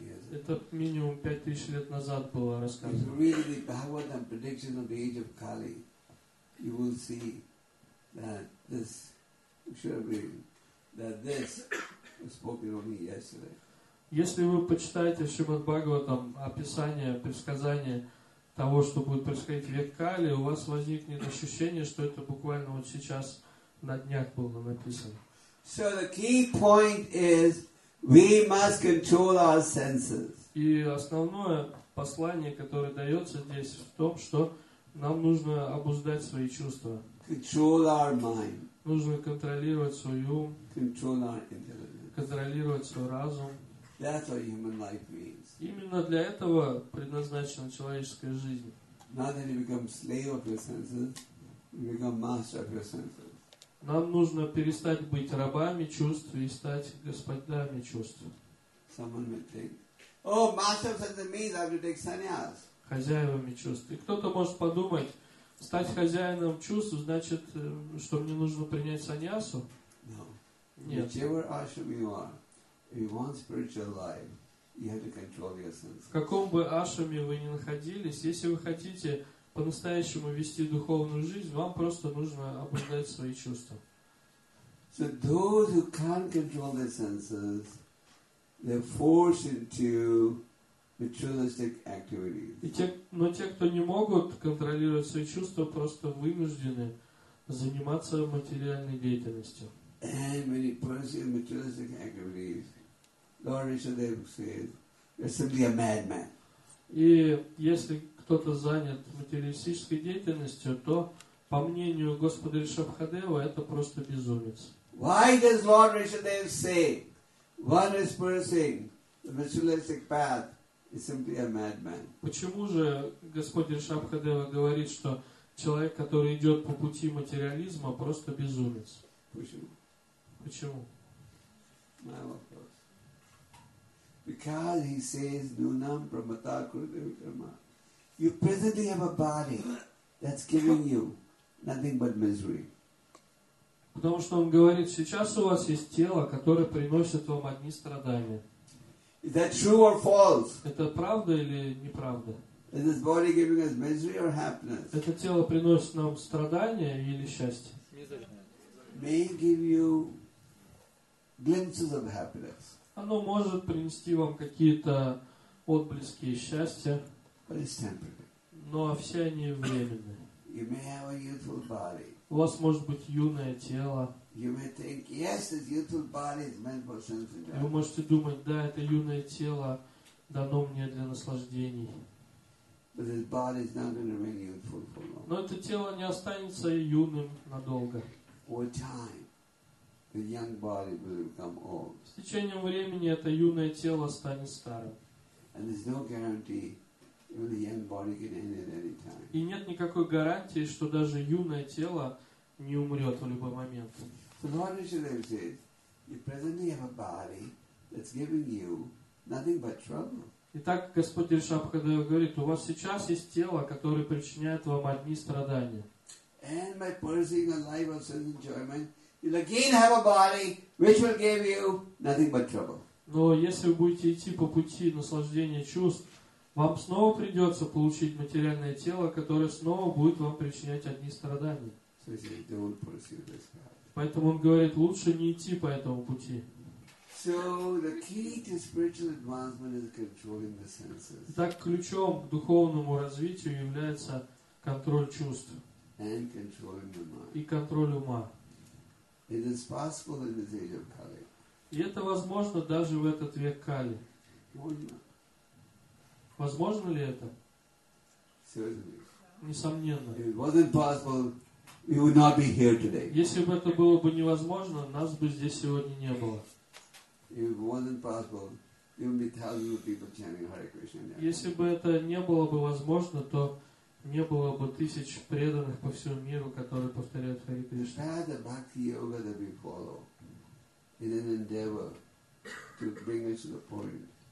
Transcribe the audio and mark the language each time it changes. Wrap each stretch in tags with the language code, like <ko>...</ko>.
<ru>Это минимум 5000 лет назад было рассказано.</ru> <en>If you read the Bhagavatam prediction of the age of Kali, you will see that this should have been. That this was spoken only yesterday.</en> <ru>Если вы почитаете Шримад Бхагаватам описание, предсказание того, что будет происходить в век Кали, у вас возникнет ощущение, что это буквально вот сейчас на днях было написано.</ru> <en>So the key point is we must control our senses.</en> <ru>И основное послание, которое дается здесь, в том, что нам нужно обуздать свои чувства.</ru> <en>Control our mind.</en> <ru>Нужно контролировать свой ум.</ru> <en>Control our intelligence.</en> <ru>контролировать свой разум.</ru> <en>That's what human life means.</en> <ru>Именно для этого предназначена человеческая жизнь.</ru> <en>Not that you become slave of your senses, you become master of your senses.</en> <ru>Нам нужно перестать быть рабами чувств и стать господами чувств.</ru> <en>Someone may think, oh, master of senses means I have to take sannyas.</en> <ru>Хозяевами чувств. И кто-то может подумать, стать хозяином чувств значит, что мне нужно принять саньясу?</ru> <en>No.</en> <ru>Нет.</ru> <en>Whichever ashram you are, if you want spiritual life, you have to control your senses.</en> <ru>В каком бы ашраме вы ни находились, если вы хотите по-настоящему вести духовную жизнь, вам просто нужно обуздать свои чувства.</ru> <en>So those who can't control their senses, they're forced into ritualistic activities.</en> <ru>Но те, кто не могут контролировать свои чувства, просто вынуждены заниматься материальной деятельностью.</ru> <en>And when you pursue materialistic activities, Lord Rishadeva says, you're simply a madman.</en> <ru>И если кто-то занят материалистической деятельностью, то, по мнению Господа Ришабхадева, это просто безумец.</ru> <en>Why does Lord Rishadeva say, one is pursuing the materialistic path is simply a madman?</en> <ru>Почему же Господь Ришабхадева говорит, что человек, который идет по пути материализма, просто безумец? Почему? Почему?</ru> <en>My</en> <ru>вопрос.</ru> <en>Because he says, Nunam Pramata Krutya Vikrama. You presently have a body that's giving you nothing but misery.</en> <ru>Потому что он говорит, сейчас у вас есть тело, которое приносит вам одни страдания.</ru> <en>Is that true or false?</en> <ru>Это правда или неправда?</ru> <en>Is this body giving us misery or happiness?</en> <ru>Это тело приносит нам страдания или счастье?</ru> <en>May give you glimpses of happiness.</en> <ru>Оно может принести вам какие-то отблески счастья.</ru> <en>But it's temporary.</en> <ru>Но все они временные.</ru> <en>You may have a youthful body.</en> <ru>У вас может быть юное тело.</ru> <en>You may think, yes, this youthful body is meant for sense enjoyment.</en> <ru>Вы можете думать, да, это юное тело дано мне для наслаждений.</ru> <en>But this body is not going to remain youthful for long.</en> <ru>Но это тело не останется юным надолго.</ru> <en>Over time, the young body will become old.</en> <ru>С течением времени это юное тело станет старым.</ru> <en>And there's no guarantee. Even the young body can end at any time.</en> <ru>И нет никакой гарантии, что даже юное тело не умрет в любой момент.</ru> <en>So Lord Rishadeva says, you presently have a body that's giving you nothing but trouble.</en> <ru>Итак, Господь Ришабхадева говорит, у вас сейчас есть тело, которое причиняет вам одни страдания.</ru> <en>And by pursuing a life of sense enjoyment, you'll again have a body which will give you nothing but trouble.</en> <ru>Но если вы будете идти по пути наслаждения чувств, вам снова придется получить материальное тело, которое снова будет вам причинять одни страдания.</ru> <en>So he said, don't pursue this path.</en> <ru>Поэтому он говорит, лучше не идти по этому пути.</ru> <en>So the key to spiritual advancement is controlling the senses.</en> <ru>Итак, ключом к духовному развитию является контроль чувств.</ru> <en>And controlling the mind.</en> <ru>И контроль ума.</ru> <en>It is possible in this age of Kali.</en> <ru>И это возможно даже в этот век Кали. Возможно ли это? Несомненно.</ru> <en>If it wasn't possible, we would not be here today.</en> <ru>Если бы это было бы невозможно, нас бы здесь сегодня не было.</ru> <en>If it wasn't possible, there would be thousands of people chanting Hare Krishna.</en> <ru>Если бы это не было бы возможно, то не было бы тысяч преданных по всему миру, которые повторяют Хари Кришна.</ru> <en>The bhakti yoga that we follow is an endeavor to bring us to the point.</en>